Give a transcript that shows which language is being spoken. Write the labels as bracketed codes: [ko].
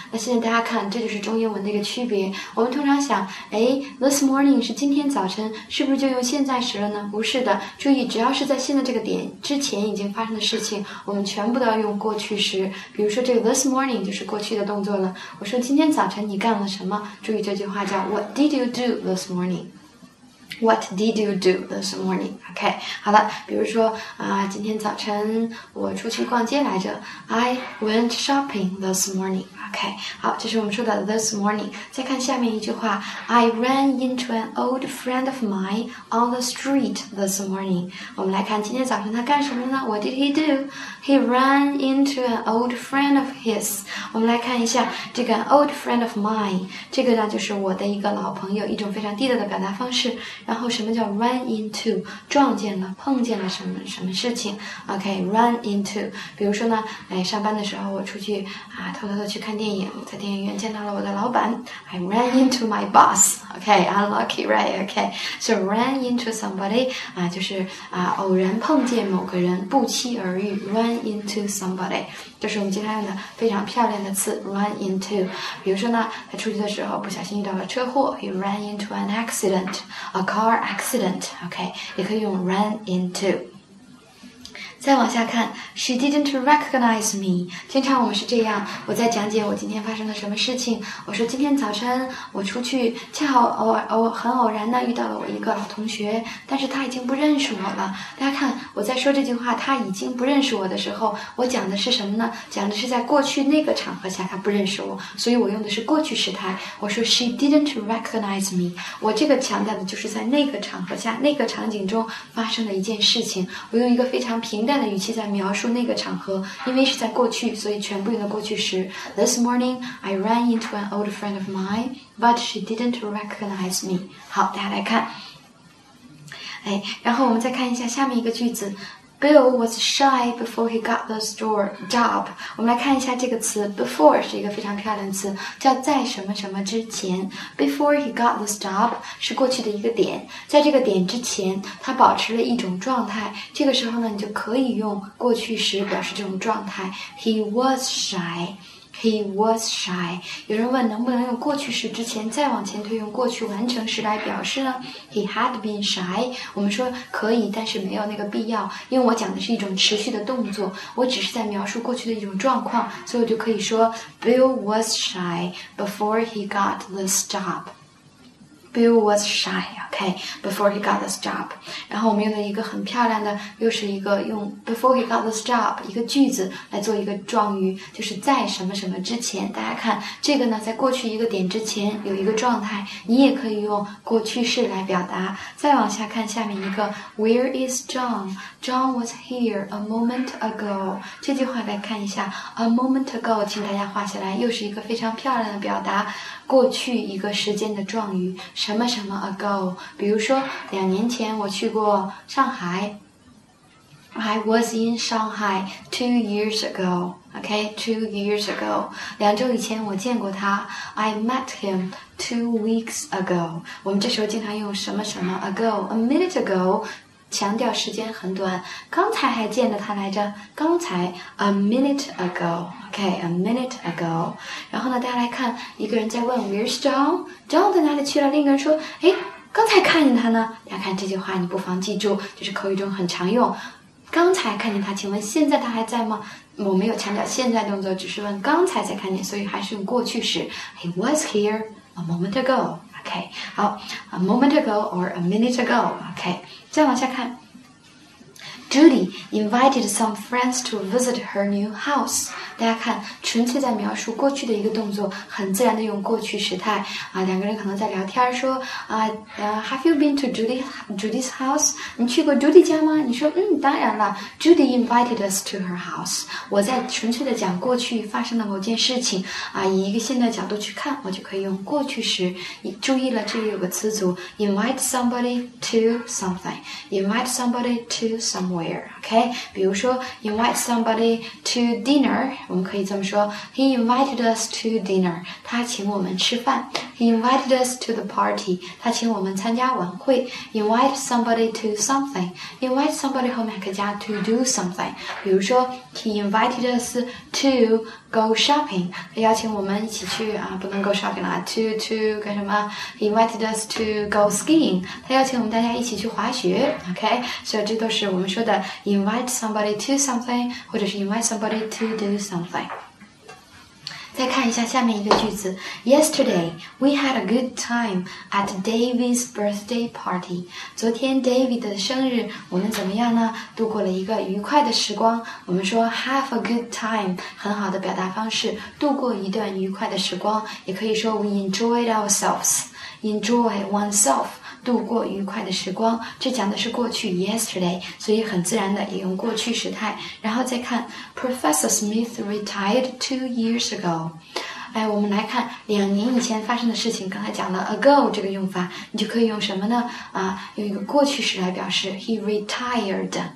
[zh] 那现在大家看，这就是中英文的一个区别。我们通常想，this morning 是今天早晨，是不是就用现在时了呢？不是的，注意，只要是在现在这个点之前已经发生的事情，我们全部都要用过去时。比如说这个 this morning 就是过去的动作了。我说今天早晨你干了什么？注意这句话叫 [en] What did you do this morning? What did you do this morning? [zh] OK, 好了，比如说今天早晨我出去逛街来着。 [en] I went shopping this morning. [zh] OK, 好，这是我们说的 this morning. 再看下面一句话。 [en] I ran into an old friend of mine on the street this morning. [zh] 我们来看今天早晨他干什么呢？ [en] What did he do? He ran into an old friend of his. [zh] 我们来看一下这个 [en] old friend of mine. [zh] 这个呢就是我的一个老朋友，一种非常地道的表达方式。然后什么叫 run into? 撞见了，碰见了什么什么事情。 [en] OK, run into. [zh] 比如说呢，上班的时候我出去偷偷的去看电影，在电影院见到了我的老板。 [en] I ran into my boss. OK, unlucky, right? OK, so run into somebody, [zh] 就是偶然碰见某个人，不期而遇， run into somebody. 就是我们经常用的非常漂亮的词 run into， 比如说呢，他出去的时候不小心遇到了车祸， [en] he ran into an accident， a car accident， [zh] OK， 也可以用 run into。再往下看， [en] she didn't recognize me。 [zh] 经常我们是这样，我在讲解我今天发生了什么事情，我说今天早晨我出去，恰好很偶然呢遇到了我一个老同学，但是他已经不认识我了。大家看，我在说这句话，他已经不认识我的时候，我讲的是什么呢？讲的是在过去那个场合下他不认识我，所以我用的是过去时态。我说 [en] she didn't recognize me， [zh] 我这个强调的就是在那个场合下那个场景中发生的一件事情。我用一个非常平淡的语气在描述那个场合，因为是在过去，所以全部用的过去时。 [en] This morning, I ran into an old friend of mine, but she didn't recognize me. [zh] 好，大家来看。然后我们再看一下下面一个句子。 [en] Bill was shy before he got the store job. [zh] 我们来看一下这个词 ，before 是一个非常漂亮的词，叫在什么什么之前。 [en] Before he got the job [zh] 是过去的一个点，在这个点之前，他保持了一种状态。这个时候呢，你就可以用过去时表示这种状态。 [en] He was shy. He was shy. [zh] 有人问能不能用过去式之前再往前推，用过去完成时来表示呢？ [en] He had been shy. [zh] 我们说可以，但是没有那个必要，因为我讲的是一种持续的动作，我只是在描述过去的一种状况，所以我就可以说 [en] Bill was shy before he got this job. Bill was shy, okay, before he got this job. [zh] 然后我们用了一个很漂亮的，又是一个用 [en] before he got this job [zh] 一个句子来做一个状语，就是在什么什么之前。大家看，这个呢，在过去一个点之前有一个状态，你也可以用过去式来表达。再往下看下面一个 , [en] Where is John? John was here a moment ago. [zh] 这句话来看一下 ,a moment ago, 请大家画下来，又是一个非常漂亮的表达。过去一个时间的状语，什么什么 ago， 比如说两年前我去过上海， [en] I was in Shanghai 2 years ago， Okay, 2 years ago. [zh] 两周以前我见过他。 [en] I met him 2 weeks ago. [zh] 我们这时候经常用什么什么 ago, a minute ago, 强调时间很短。刚才还见了他来着。刚才 [en] a minute ago. Okay, a minute ago. [zh] 然后呢大家来看一个人在问 Where's John? John 在哪里去了另一个人说诶刚才看见他呢大家看这句话你不妨记住就是口语中很常用。刚才看见他请问现在他还在吗我没有强调现在动作只是问刚才才看见所以还是用过去时 [en] He was here a moment ago [zh] OK 好 A moment ago or a minute ago OK 再往下看 [en] Judy invited some friends to visit her new house [zh] 大家看纯粹在描述过去的一个动作很自然的用过去时态、啊、两个人可能在聊天说、 [en] Have you been to Judy's house? [zh] 你去过 Judy 家吗你说嗯，当然了 [en] Judy invited us to her house [zh] 我在纯粹的讲过去发生的某件事情、啊、以一个新的角度去看我就可以用过去时注意了这里有个词组 [en] invite somebody to something invite somebody to somewhere OK 比如说 invite somebody to dinner我们可以这么说 He invited us to dinner [zh] 他请我们吃饭 [en] He invited us to the party [zh] 他请我们参加晚会 [en] Invite somebody to something Invite somebody 后面可以加 to do something 比如说 He invited us to go shopping [zh] 他邀请我们一起去、啊、不能 [en] go shopping 了 to 干什么 He invited us to go skiing [zh] 他邀请我们大家一起去滑雪 [en] OK [zh] 所以这都是我们说的 [en] Invite somebody to something 或者是 invite somebody to doSomething. [zh] 再看一下下面一个句子 [en] Yesterday, we had a good time at David's birthday party. [zh] 昨天 David 的生日我们怎么样呢度过了一个愉快的时光我们说 have a good time 很好的表达方式度过一段愉快的时光也可以说 [en] we enjoyed ourselves. Enjoy oneself. [zh] 度过愉快的时光这讲的是过去 yesterday 所以很自然的也用过去时态然后再看 [en] Professor Smith retired 2 years ago [zh] 哎，我们来看两年以前发生的事情刚才讲了 ago 这个用法你就可以用什么呢啊，用一个过去时来表示 He retired